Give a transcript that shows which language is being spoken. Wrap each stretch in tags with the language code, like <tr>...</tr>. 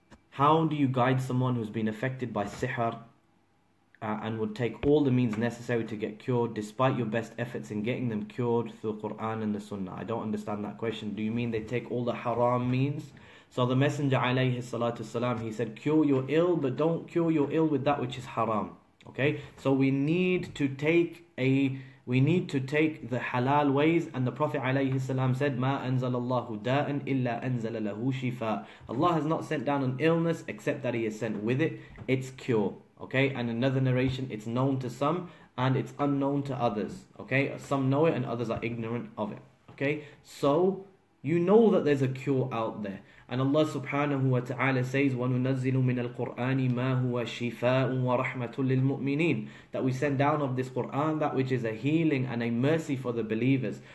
<en>How do you guide someone who's been affected by sihr and would take all the means necessary to get cured, despite your best efforts in getting them cured through Quran and the Sunnah? I don't understand that question. Do you mean they take all the haram means? So the Messenger alayhi salatu salam, he said, cure your ill, but don't cure your ill with that which is haram. Okay? So we need to take the halal ways. And the Prophet alayhi salam said,</en> <ar>ما أنزل الله داء إلا أنزل له شفاء.</ar> <en>Allah has not sent down an illness except that he has sent with it its cure. Okay, and another narration, it's known to some and it's unknown to others. Okay, some know it and others are ignorant of it. Okay, so you know that there's a cure out there. And Allah subhanahu wa ta'ala says,</en> <ar>وَنُنَزِّلُ مِنَ الْقُرْآنِ مَا هُوَ شِفَاءٌ وَرَحْمَةٌ لِلْمُؤْمِنِينَ,</ar> <en>that we send down of this Qur'an that which is a healing and a mercy for the believers.</en>